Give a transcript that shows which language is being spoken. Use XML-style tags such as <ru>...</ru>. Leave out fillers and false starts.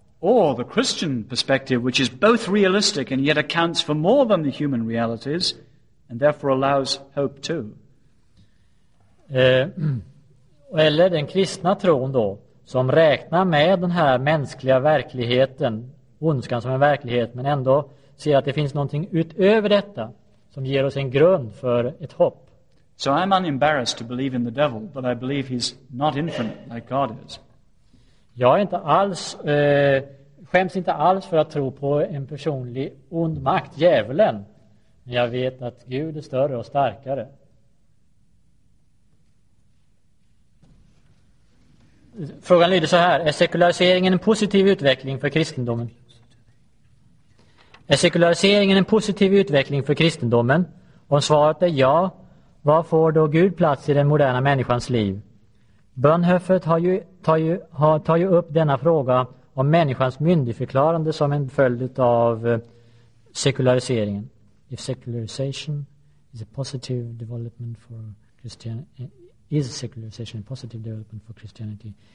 <en>Or the Christian perspective, which is both realistic and yet accounts for more than the human realities, and therefore allows hope too.</en> <sv>Eller den kristna tron då, som räknar med den här mänskliga verkligheten, ondskan som en verklighet, men ändå ser att det finns någonting utöver detta som ger oss en grund för ett hopp.</sv> <en>So I'm unembarrassed to believe in the devil, but I believe he's not infinite like God is.</en> <sv>Jag är inte alls skäms inte alls för att tro på en personlig ond makt, djävulen. Men jag vet att Gud är större och starkare. Frågan lyder så här: är sekulariseringen en positiv utveckling för kristendomen? Är sekulariseringen en positiv utveckling för kristendomen? Om svaret är ja, vad får då Gud plats i den moderna människans liv? Bonhoeffer tar ju upp denna fråga om människans myndigförklarande som en följd av sekulariseringen.</sv> <en>If secularization is a positive development for Christianity, is secularization a positive development for Christianity?</en>